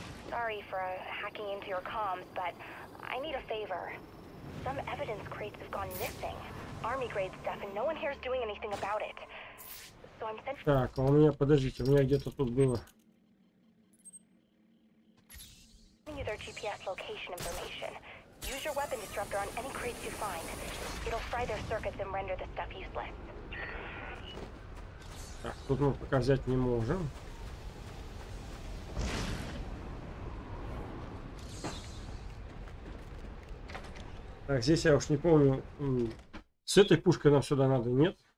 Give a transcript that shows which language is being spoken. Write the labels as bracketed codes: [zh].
[en] Sorry for hacking into your comms, but I need a favor. Some evidence crates have gone missing. Army grade stuff, and no one here is doing anything about it. So I'm sent. [ru] Так, у меня, подождите, у меня где-то тут было. [en] Giving you their GPS location information. Use your weapon disruptor on any crates you find. It'll fry their circuits and render the stuff useless. [ru] Так, тут мы пока взять не можем. Так, здесь я уж не помню, с этой пушкой нам сюда надо, нет?